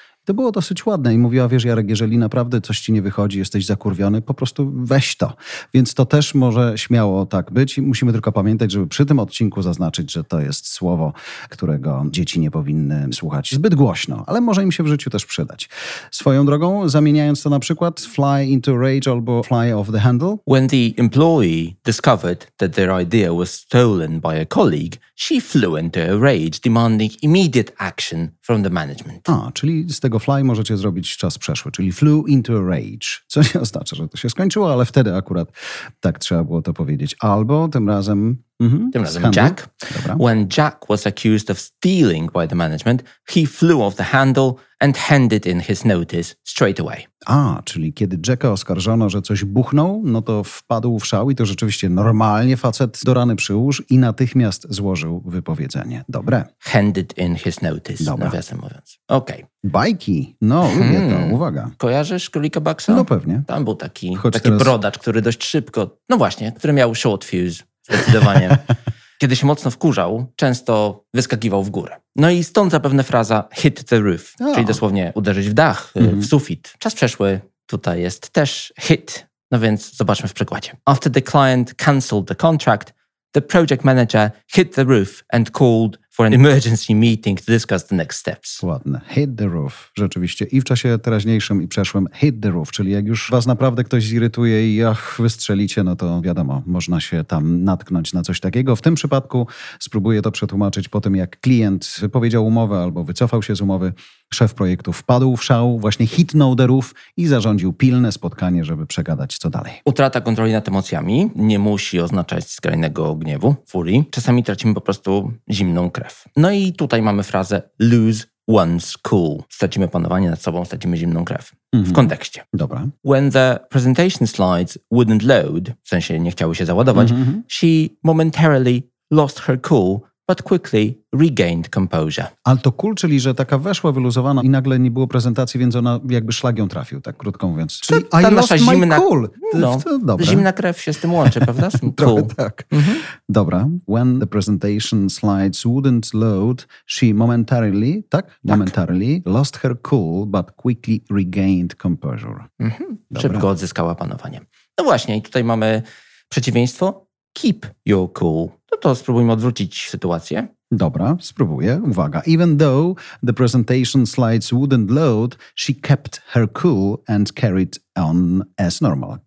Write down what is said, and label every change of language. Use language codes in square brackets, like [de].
[pl] To było dosyć ładne i mówiła, wiesz Jarek, jeżeli naprawdę coś ci nie wychodzi, jesteś zakurwiony, po prostu weź to. Więc to też może śmiało tak być i musimy tylko pamiętać, żeby przy tym odcinku zaznaczyć, że to jest słowo, którego dzieci nie powinny słuchać zbyt głośno, ale może im się w życiu też przydać. Swoją drogą, zamieniając to na przykład fly into rage albo fly off the handle. [en] When the employee discovered that their idea was stolen by a colleague, she flew into a rage, demanding immediate action from the management. [pl] A, czyli z tego fly możecie zrobić czas przeszły, czyli flew into a rage, co nie oznacza, że to się skończyło, ale wtedy akurat tak trzeba było to powiedzieć. Albo tym razem... Jack. Dobra. [en] When Jack was accused of stealing by the management, he flew off the handle and handed in his notice straight away. [pl] A, czyli kiedy Jacka oskarżono, że coś buchnął, no to wpadł w szał i to rzeczywiście normalnie facet do rany przyłóż i natychmiast złożył wypowiedzenie. Dobre. [en] Handed in his notice, [pl] dobra. Nawiasem mówiąc. Okej. Okay. Bajki. No, lubię to. Uwaga. Kojarzysz Królika Baxa? No pewnie. Tam był taki teraz... brodacz, który dość szybko, no właśnie, który miał short fuse. Zdecydowanie. Kiedy się mocno wkurzał, często wyskakiwał w górę. No i stąd zapewne fraza hit the roof, czyli dosłownie uderzyć w dach, w sufit. Czas przeszły, tutaj jest też hit. No więc zobaczmy w przykładzie. [en] After the client cancelled the contract, the project manager hit the roof and called for an emergency meeting to discuss the next steps. [pl] Ładne. Hit the roof. Rzeczywiście. I w czasie teraźniejszym i przeszłym hit the roof, czyli jak już was naprawdę ktoś zirytuje i ach, wystrzelicie, no to wiadomo, można się tam natknąć na coś takiego. W tym przypadku spróbuję to przetłumaczyć po tym, jak klient wypowiedział umowę albo wycofał się z umowy. Szef projektu wpadł w szał, właśnie hitnął the roof i zarządził pilne spotkanie, żeby przegadać co dalej. Utrata kontroli nad emocjami nie musi oznaczać skrajnego gniewu, furii. Czasami tracimy po prostu zimną krew. No i tutaj mamy frazę lose one's cool. Stracimy panowanie nad sobą, stracimy zimną krew. Mhm. W kontekście. Dobra. [en] When the presentation slides wouldn't load, [pl] w sensie nie chciały się załadować, [en] she momentarily lost her cool, but quickly regained composure. [pl] Ale to cool, czyli że taka weszła, wyluzowana i nagle nie było prezentacji, więc ona jakby szlag ją trafił, tak krótko mówiąc. Czyli ta, ta nasza zimna, [en] cool. [pl] No, dobra. Zimna krew się z tym łączy, prawda? [en] Cool. [pl] Tak. Mhm. Dobra. [en] When the presentation slides wouldn't load, she momentarily, [pl] tak? [en] Momentarily lost her cool, but quickly regained composure. Mhm. [pl] Szybko odzyskała panowanie. No właśnie, i tutaj mamy przeciwieństwo. [en] Keep your cool. [pl] No to spróbujmy odwrócić sytuację. Dobra, spróbuję. Uwaga. [en] Even though the presentation slides wouldn't load, she kept her cool and carried on as normal.